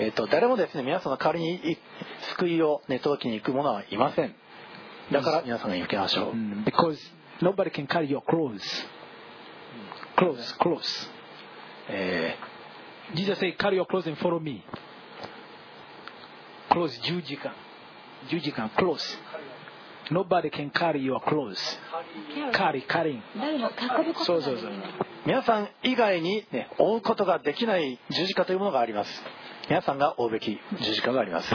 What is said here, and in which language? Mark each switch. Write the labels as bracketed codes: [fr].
[ja] 誰もですね、皆さんの代わりに救いを、ね、届けに行く者はいません。だから皆さんが行きましょう。 [en] Because nobody can carry your clothes. Clothes. Jesus said, carry your clothes and follow me. Clothes, 十字架, clothes. Nobody can carry your clothes. Carrying. [ja] そうそうそう。皆さん以外に、ね、追うことができない十字架というものがあります。皆さんが追うべき十字架があります。